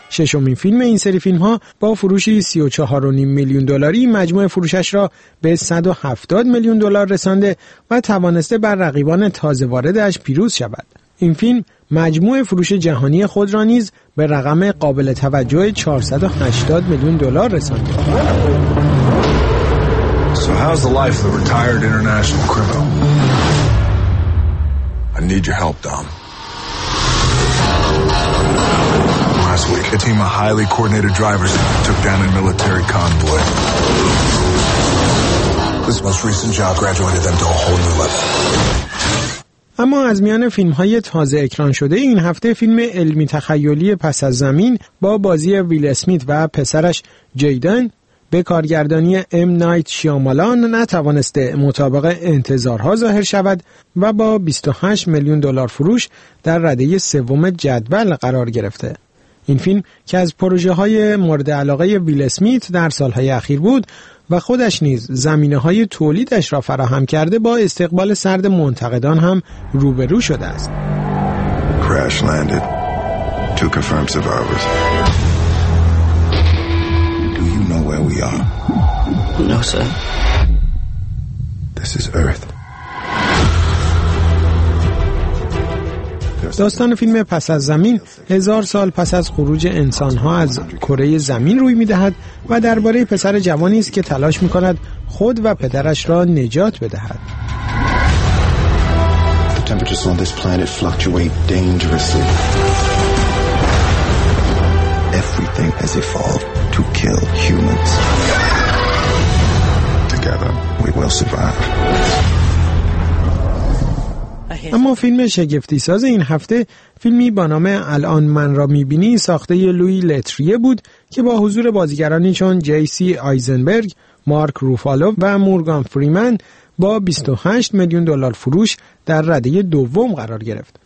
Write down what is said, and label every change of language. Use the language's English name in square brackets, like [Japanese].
[Persian] ششمین فیلم این سری فیلم ها با فروشی 34.5 میلیون دلاری مجموع فروشش را به 170 میلیون دلار رسانده و توانسته بر رقیبان تازه واردش پیروز شود. این فیلم مجموع فروش جهانی خود را نیز به رقم قابل توجه 480 میلیون دلار رسانده. [English] So how's the life of a retired international criminal? I need your help, Dom. Last week, a team of highly coordinated drivers took down a military convoy. This most recent job graduated them to a whole new level. [Persian] اما از میان فیلم‌های تازه اکران شده این هفته فیلم علمی تخیلی پس از زمین با بازی ویل اسمیت و پسرش جیدن به کارگردانی ام نایت شیامالان نتوانسته مطابق انتظارها ظاهر شود و با 28 میلیون دلار فروش در رده سوم جدول قرار گرفته. این فیلم که از پروژه‌های مورد علاقه ویل اسمیت در سال‌های اخیر بود و خودش نیز زمینه‌های تولیدش را فراهم کرده با استقبال سرد منتقدان هم روبرو شده است. [English] Crash landed. Two confirmed survivors. Do you know where we are? No, sir. This is Earth. [Persian] داستان فیلم پس از زمین 1000 سال پس از خروج انسان‌ها از کره زمین روی می‌دهد و درباره پسر جوانی است که تلاش می‌کند خود و پدرش را نجات بدهد. [English] The temperatures on this planet fluctuate dangerously. Everything has evolved to kill humans. Together, we will survive. [Persian] اما فیلم شگفتی ساز این هفته فیلمی با نام الان من را میبینی ساخته لوی لتریه بود که با حضور بازیگرانی چون جی سی آیزنبرگ، مارک روفالو و مورگان فریمن با 28 میلیون دلار فروش در رده دوم قرار گرفت.